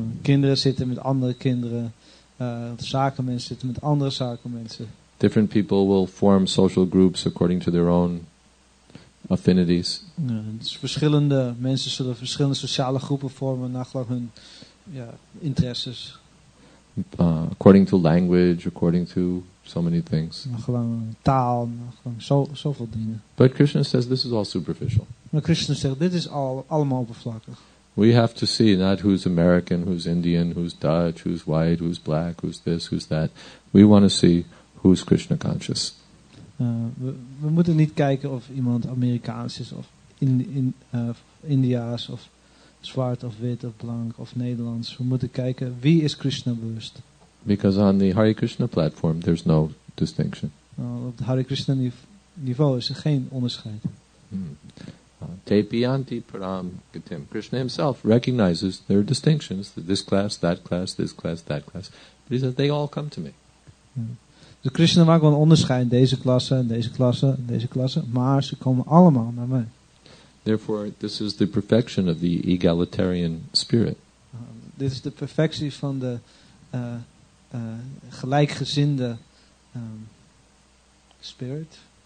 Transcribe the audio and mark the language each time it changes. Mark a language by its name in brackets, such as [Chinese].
[Dutch] Kinderen zitten met andere kinderen. Zakenmensen zitten met andere zakenmensen. [English] Different people will form social groups according to their own affinities. [Dutch] Dus verschillende mensen zullen verschillende sociale groepen vormen naar gelang hun interesses. [English] According to language, according to so many things. [Dutch] Gewoon taal, gewoon zoveel dingen. [English] But Krishna says this is all superficial. [Dutch] Maar Krishna zegt, dit is allemaal oppervlakkig. [English] We have to see not who's American, who's Indian, who's Dutch, who's white, who's black, who's this, who's that. We want to see who's Krishna conscious. [Dutch] We moeten niet kijken of iemand Amerikaans is, of Indiaas, of zwart of wit of blank of Nederlands. We moeten kijken wie is Krishna bewust. [English] Because on the Hare Krishna platform there's no distinction. [Dutch] Op het Hare Krishna niveau is er geen onderscheid. [Sanskrit] Tepianti param gatim. [English] Krishna himself recognizes there are distinctions, this class, that class. But he says they all come to me. [Dutch] Dus Krishna maakt wel een onderscheid, deze klasse en deze klasse en deze klasse, maar ze komen allemaal naar mij. [English] Therefore, this is the perfection of the egalitarian spirit. [Dutch] Dit is de perfectie van de gelijkgezinde spirit.